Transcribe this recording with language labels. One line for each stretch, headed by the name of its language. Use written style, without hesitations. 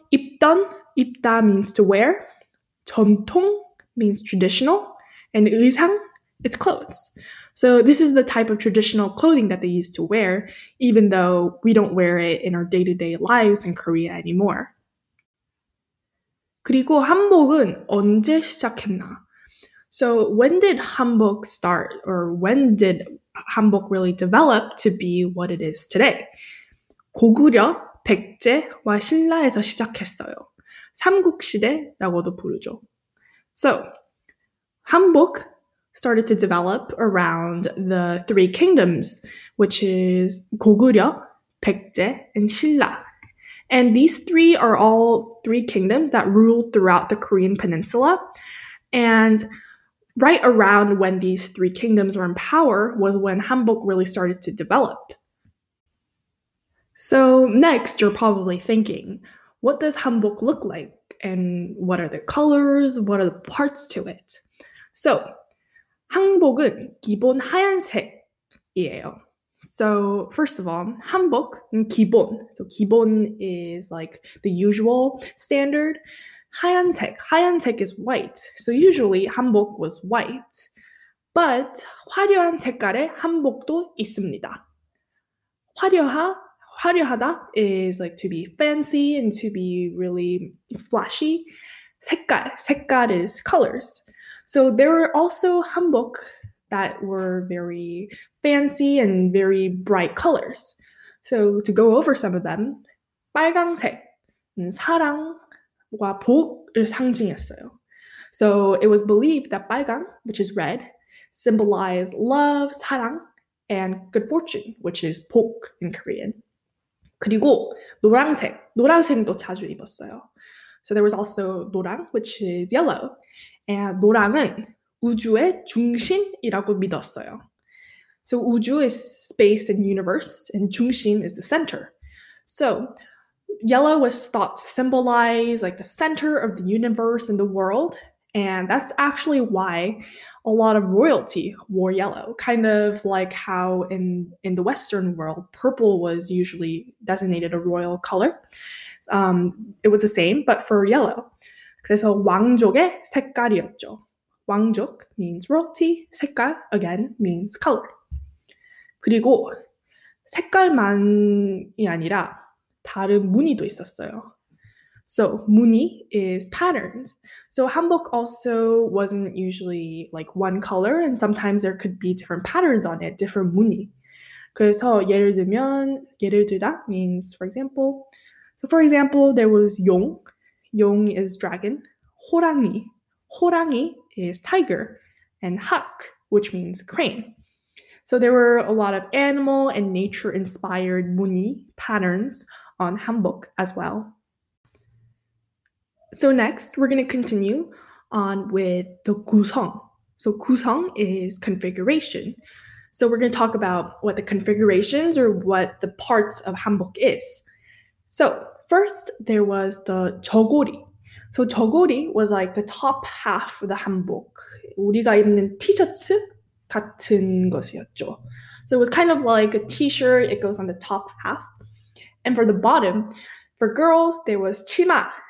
English: 입다 means to wear. 전통 means traditional. And 의상, it's clothes. So this is the type of traditional clothing that they used to wear, even though we don't wear it in our day-to-day lives in Korea anymore.
Korean: 그리고 한복은 언제 시작했나?
English: So when did hanbok start, or when did hanbok really develop to be what it is today?
Korean: 고구려, 백제와 신라에서 시작했어요. 삼국시대라고도 부르죠.
English: So, hanbok started to develop around the three kingdoms, which is 고구려, 백제, and 신라. And these three are all three kingdoms that ruled throughout the Korean peninsula. And right around when these three kingdoms were in power was when hanbok really started to develop. So next, you're probably thinking, what does hanbok look like? And what are the colors? What are the parts to it?
Korean: So, 한복은 기본 하얀색이에요.
English: So first of all, 한복 기본. So 기본 is like the usual standard. 하얀색. 하얀색 is white. So usually 한복 was white.
Korean: But 화려한 색깔의 한복도 있습니다.
English: 화려하다 is like to be fancy and to be really flashy. 색깔 is colors. So there were also hanbok that were very fancy and very bright colors. So to go over some of them, 빨강색,
Korean: 사랑과 복을 상징했어요.
English: So it was believed that 빨강, which is red, symbolized love, 사랑, and good fortune, which is 복 in Korean.
Korean: 그리고 노란색도 자주 입었어요.
English: So there was also 노랑, which is yellow.
Korean: And 노랑은 우주의 중심이라고 믿었어요.
English: So 우주 is space and universe, and 중심 is the center. So yellow was thought to symbolize like the center of the universe and the world. And that's actually why a lot of royalty wore yellow, kind of like how in the Western world, purple was usually designated a royal color. It was the same, but for yellow.
Korean: 그래서 왕족의 색깔이었죠.
English: 왕족 means royalty, 색깔 again means color.
Korean: 그리고 색깔만이 아니라 다른 무늬도 있었어요.
English: So 무늬 is patterns. So hanbok also wasn't usually like one color, and sometimes there could be different patterns on it, different 무늬. 그래서 예를 들다 means for example. So for example, there was 용. 용 is dragon. 호랑이 is tiger. And 학, which means crane. So there were a lot of animal and nature-inspired 무늬 patterns on hanbok as well. So next, we're going to continue on with the guzheng. So guzheng is configuration. So we're going to talk about what the configurations or what the parts of hanbok is. So first, there was the 저고리. So 저고리 was like the top half of the hanbok.
Korean: 우리가 입는 티셔츠 같은 것이었죠.
English: So it was kind of like a t-shirt. It goes on the top half. And for the bottom, for girls, there was 치마.